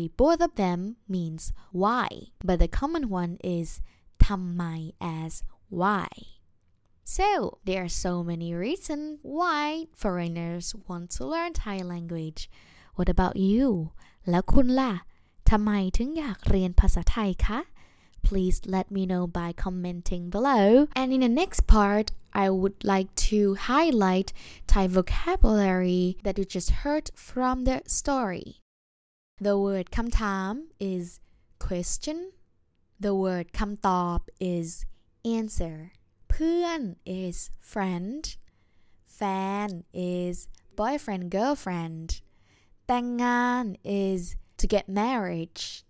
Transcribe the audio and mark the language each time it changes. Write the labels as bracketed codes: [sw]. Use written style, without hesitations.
[en] Both of them means why, but the common one is ทำไม as why. So there are so many reasons why foreigners want to learn Thai language. What about you? [th] แล้วคุณล่ะทำไมถึงอยากเรียนภาษาไทยคะ [en] Please let me know by commenting below. And in the next part, I would like to highlight Thai vocabulary that you just heard from the story. The word คำถาม is question. The word คำตอบ is answer. เพื่อน is friend. Fan is boyfriend, girlfriend. แต่งงาน is to get marriage.